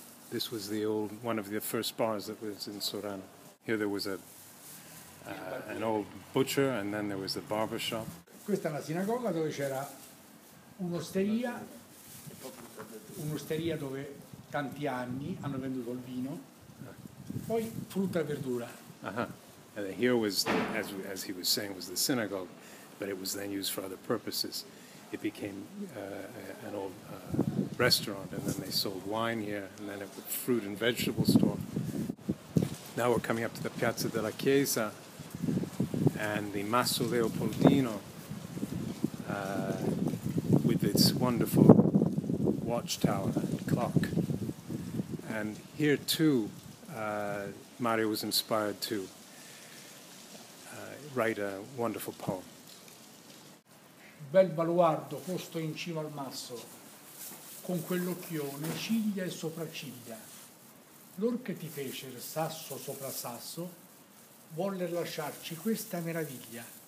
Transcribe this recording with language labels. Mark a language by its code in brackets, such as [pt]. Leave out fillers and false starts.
[en] This was the old one of the first bars that was in Sorano. Here there was an old butcher, and then there was the barber shop. [it] Questa è la sinagoga dove c'era un'osteria dove tanti anni hanno venduto il vino, poi frutta e verdura. [en] And here was, as he was saying, was the synagogue, but it was then used for other purposes. It became an old restaurant, and then they sold wine here, and then it was a fruit and vegetable store. Now we're coming up to the Piazza della Chiesa and the Masso Leopoldino with its wonderful watchtower and clock. And here too, Mario was inspired to write a wonderful poem. [it] Bel baluardo posto in cima al masso, con quell'occhione ciglia e sopracciglia. L'or che ti fece il sasso sopra sasso, volle lasciarci questa meraviglia.